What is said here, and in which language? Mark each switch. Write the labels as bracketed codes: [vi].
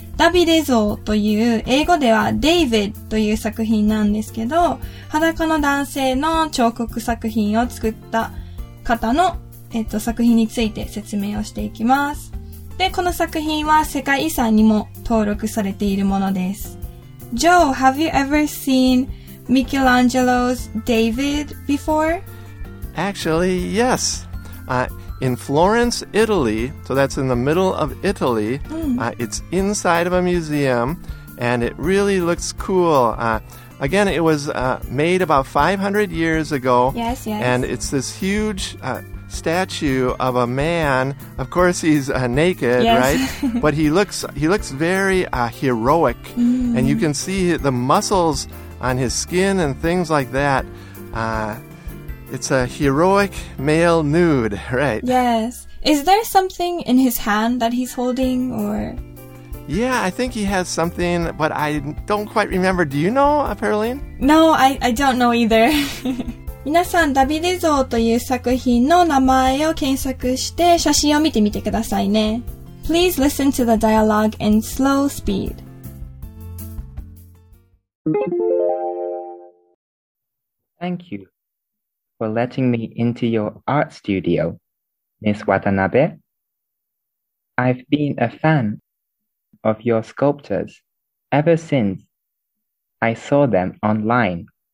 [ja] ダビデ像という英語ではデイビッドという作品なんですけど、裸の男性の彫刻作品を作った方の、作品について説明をしていきます。で、この作品は世界遺産にも登録されているものです。 [en] Joe, have you ever seen Michelangelo's David before Actually, yes. In Florence, Italy, so that's in the middle of Italy, it's inside of a museum, and it really looks cool. Again, it was made about 500 years ago. Yes, yes. And it's this huge statue of a man. Of course, he's naked, yes. right? But he looks very heroic. Mm. And you can see the muscles on his skin and things like that. It's a heroic male nude, right? Yes. Is there something in his hand that he's holding or... Yeah, I think he has something, but I don't quite remember. Do you know, Perline? No, I don't know either. [ja] 皆さん、ダビデ像という作品の名前を検索して写真を見てみてくださいね。 [en] Please listen to the dialogue in slow speed. Thank you for letting me into your art studio, Miss Watanabe. I've been a fan. Of your sculptures ever since I saw them online.